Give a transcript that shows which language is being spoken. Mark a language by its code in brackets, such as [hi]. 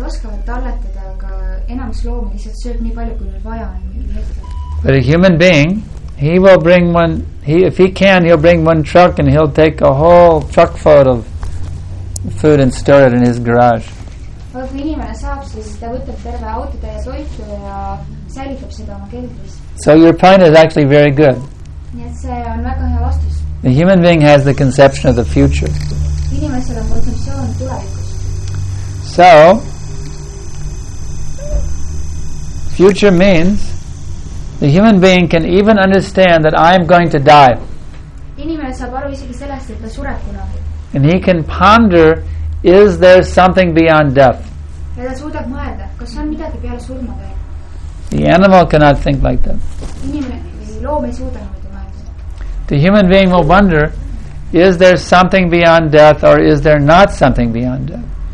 [et] talletada, aga enamus loomi lihtsalt sööb nii palju kui neil vaja on. [en] But a human being, he will bring one, if he can, he'll bring one truck and he'll take a whole truck full of food and store it in his garage. [et] Aga kui inimene saab, siis ta võtab terve autode ja soitu ja säilitab seda oma keldris. [en] So your point is actually very good. [et] Ja see on väga hea vastus. [en] The human being has the conception of the future. [et] Inimesel on konseptsioon tulevikus. [en] So, future means the human being can even understand that I am going to die. [et] Inimene saab aru isegi sellest, et ta sureb kunagi. [en] And he can ponder, is there something beyond death? [et] Ja ta suudab mõelda, kas on midagi peale surma või? [en] The animal cannot think like that. The human being will wonder, is there something beyond death or is there not something beyond death?